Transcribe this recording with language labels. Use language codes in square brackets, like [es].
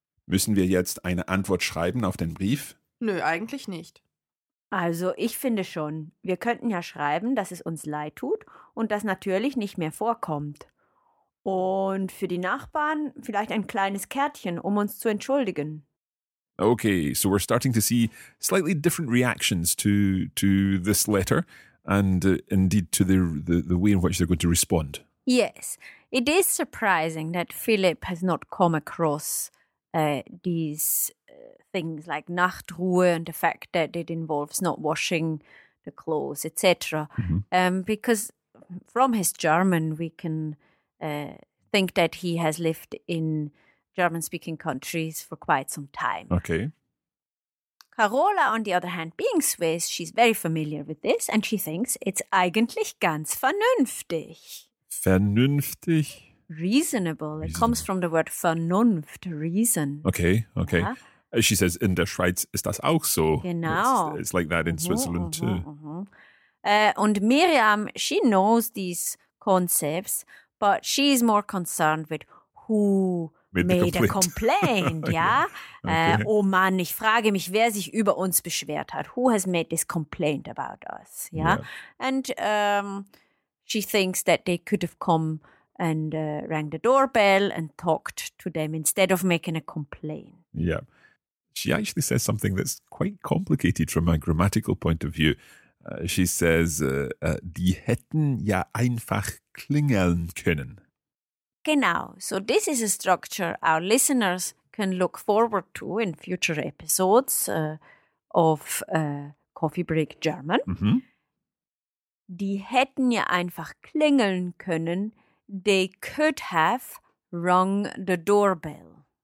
[de] Müssen wir jetzt eine Antwort schreiben auf den Brief? Nö, eigentlich nicht. Also, ich finde schon. Wir könnten ja schreiben, dass es uns leid tut und das natürlich nicht mehr vorkommt. Und für die Nachbarn vielleicht ein kleines Kärtchen, um uns zu entschuldigen. [en] Okay, so we're starting to see slightly different reactions to this letter and indeed to the way in which they're going to respond. Yes, it is surprising that Philip has not come across these things like Nachtruhe and the fact that it involves not washing the clothes, etc. Mm-hmm. Because from his German we can think that he has lived in German-speaking countries for quite some time. Okay. Carola, on the other hand, being Swiss, she's very familiar with this and she thinks it's [de] eigentlich ganz vernünftig. Vernünftig? [en] Reasonable. It comes from the word Vernunft, reason. Okay, okay. Yeah? She says, [de] in der Schweiz ist das auch so. Genau. [en] It's like that in Switzerland too. And Miriam, she knows these concepts, but she's more concerned with who made a complaint, yeah? Okay. [de] Oh Mann, ich frage mich, wer sich über uns beschwert hat. [en] Who has made this complaint about us, yeah? And she thinks that they could have come and rang the doorbell and talked to them instead of making a complaint. Yeah. She actually says something that's quite complicated from a grammatical point of view. She says, [de] die hätten ja einfach klingeln können. Genau. [en] So this is a structure our listeners can look forward to in future episodes of Coffee Break German. Mm-hmm. [de] Die hätten ja einfach klingeln können. [en] They could have rung the doorbell.